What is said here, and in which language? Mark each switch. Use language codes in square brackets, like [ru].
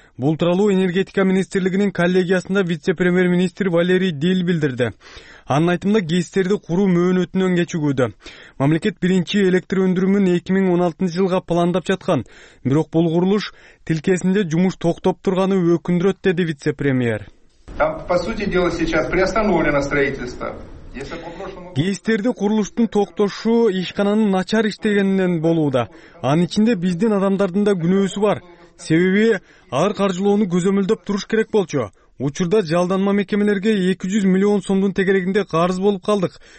[ky] Бул тууралуу энергетика министрлигинин коллегиясында вице-премьер-министр Валерий Дил билдирди. Анын айтымында гестерди куруу мөөнөтүнөн кечигүүдө. Мамлекет биринчи электр өндүрүмүн 2016 жылга пландап жаткан, бирок бул курулуш тилкесинде жумуш токтоп турганы өкүндүрөт, деди вице-премьер. [ru] Там, по сути дела, сейчас приостановлено строительство. [ky] Гейстерди курулуштун токтошу ишкананын начар иштегенинен болууда. Анын ичинде биздин адамдардын да күнөөсү бар. Себеби ар каржылоону көзөмөлдөп туруш керек болчу. Учурда жалданма мекемелерге 200 миллион сомдун тегерегинде карыз болуп калдык.